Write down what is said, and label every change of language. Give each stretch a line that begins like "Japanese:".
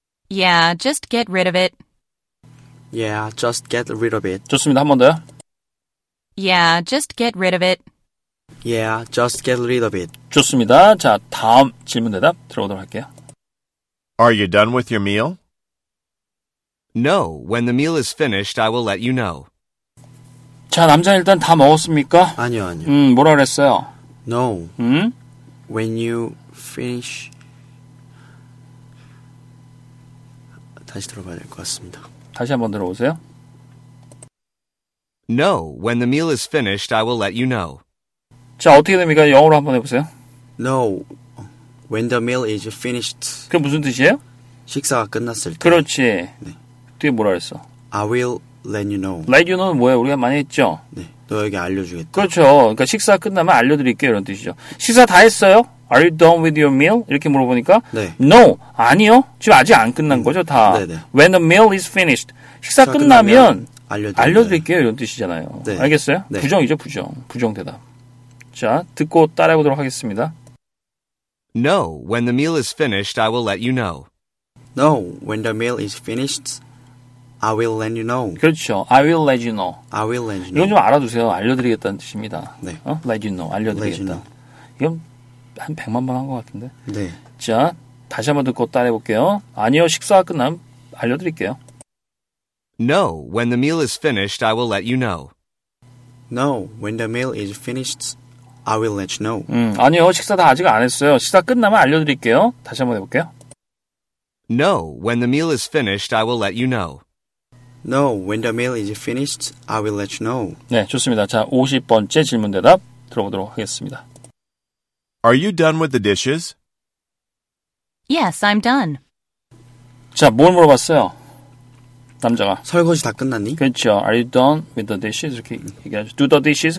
English: Yeah, just get rid of it. Yeah, just get rid of it.
Korean: 좋습니다. 한 번 더요.
English: Yeah, just get rid of it. Yeah, just get rid of it.
Korean: 좋습니다. 자, 다음 질문 대답 들어보도록 할게요.
English: Are you done with your meal? No, when the meal is finished, I will let you know.
Korean: 자, 남자는 일단 다 먹었습니까? 아니요, 아니요. 뭐라 그랬어요?
English: No.
Korean: 응?
English: When you finish...
Korean: 다시 들어봐야 될 것 같습니다. 다시 한번 들어보세요.
English: No, when the meal is finished, I will let you know.
Korean: 자, 어떻게 됩니까? 영어로 한번 해보세요.
English: No, when the meal is finished.
Korean: 그 무슨 뜻이에요? 식사가 끝났을 때. 그렇지. 네. 뒤에 뭐라 그랬어?
English: I will let you know. Let you know
Korean: 는 뭐예요? 우리가 많이 했죠? 네, 너에게 알려주겠다. 그렇죠. 그러니까 식사가 끝나면 알려드릴게요. 이런 뜻이죠. 식사 다 했어요?
English: Are you done with your meal?
Korean: 이렇게 물어보니까 네.
English: No,
Korean: 아니요. 지금 아직 안 끝난 거죠, 다. 네네.
English: When the meal is finished.
Korean: 식사 끝나면 알려드릴게요. 이런 뜻이잖아요. 네. 알겠어요? 네. 부정이죠, 부정. 부정 대답. 자, 듣고 따라해보도록 하겠습니다.
English: No, when the meal is finished, I will let you know. No, when the meal is finished, I will let you know.
Korean: 그렇죠.
English: I will let you know. I will let you know.
Korean: 이건 좀 알아두세요. 알려드리겠다는 뜻입니다. 네.
English: 어? Let you know.
Korean: 알려드리겠다.
English: You know.
Korean: 이건 한 100만 번 한 것 같은데. 네. 자, 다시 한번 듣고 따라해볼게요. 아니요, 식사가 끝나면 알려드릴게요.
English: No, when the meal is finished, I will let you know. No, when the meal is finished, I will let you know.
Korean: 아니요, 식사 다 아직 안 했어요. 식사 끝나면 알려드릴게요. 다시 한번 해볼게요.
English: No, when the meal is finished, I will let you know. No, when the meal is finished, I will let you know.
Korean: 네, 좋습니다. 자, 50번째 질문 대답 들어보도록 하겠습니다.
English: Are you done with the dishes? Yes, I'm done.
Korean: 자, 뭘 물어봤어요? 남자가. 설거지 다 끝났니? 그렇죠.
English: Are you done with the dishes?
Korean: 이렇게 얘기하죠.
English: Do the dishes?